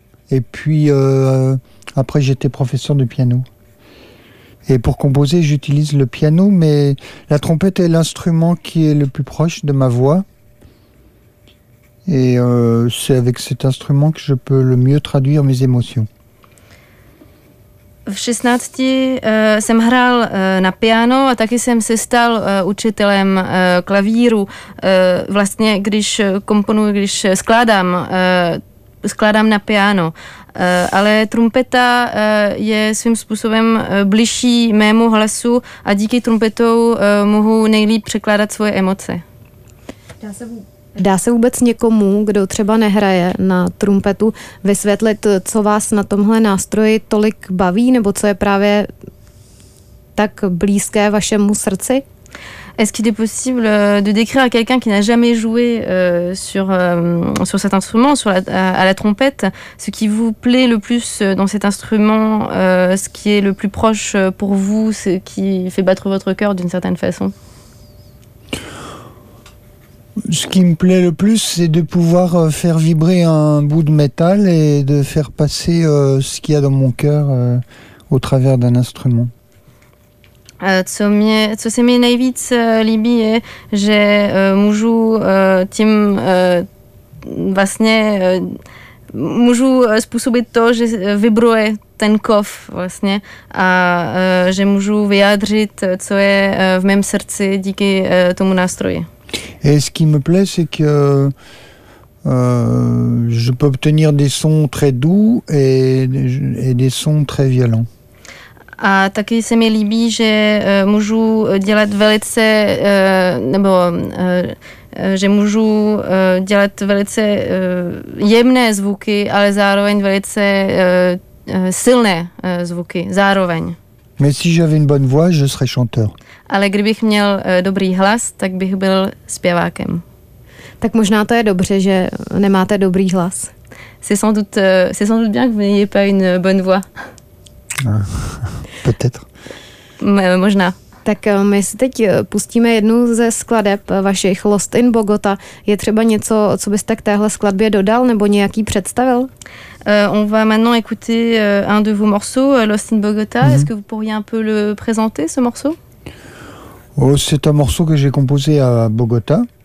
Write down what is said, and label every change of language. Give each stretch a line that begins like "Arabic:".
French: Et puis après, j'étais professeur de piano. Et pour composer, j'utilise le piano, mais la trompette est l'instrument qui est le plus proche de ma voix. Et c'est avec cet instrument que je peux le mieux traduire mes émotions.
Czech: V 16 jsem hrál na piano a taky jsem se stal učitelem klavíru. Vlastně, když komponuji, když skládám na piano. Ale trumpeta je svým způsobem bližší mému hlasu a díky trumpetou mohu nejlíp překládat svoje emoce. Dá se vůbec někomu, kdo třeba nehraje na trumpetu, vysvětlit, co vás na tomhle nástroji tolik baví, nebo co je právě tak blízké vašemu srdci?
French: Est-ce qu'il est possible de décrire à quelqu'un qui n'a jamais joué sur cet instrument, à la trompette, ce qui vous plaît le plus dans cet instrument, ce qui est le plus proche pour vous, ce qui fait battre votre cœur d'une certaine façon? Ce qui me plaît le plus, c'est de pouvoir faire vibrer un bout de métal et de faire passer ce qu'il y a dans mon cœur au travers d'un instrument.
Czech: Co se mi nejvíc líbí, je, že můžu tím vlastně můžu způsobit to, že vibruje ten kov vlastně a že můžu vyjádřit, co je v mém srdci díky tomu nástroji.
French: Et ce qui me plaît, c'est que je peux obtenir des sons très doux et des sons très violents.
Czech: A taky se mi líbí, že můžu dělat velice jemné zvuky, ale zároveň velice silné zvuky zároveň.
French: Mais si j'avais une bonne voix, je serais chanteur.
Czech: Ale kdybych měl dobrý hlas, tak bych byl zpěvákem. Tak možná to je dobře, že nemáte dobrý hlas.
French: C'est sans doute bien que vous n'ayez pas une bonne voix. Peut-être.
Czech: Možná. Tak my si teď pustíme jednu ze skladeb vašich Lost in Bogota. Je třeba něco, co byste k téhle skladbě dodal nebo nějaký představil?
French: On va maintenant écouter un de vos morceaux, Lost in Bogota. Mm-hmm. Est-ce que vous pourriez un peu le présenter, ce morceau? Oh, c'est un morceau que j'ai composé à Bogota.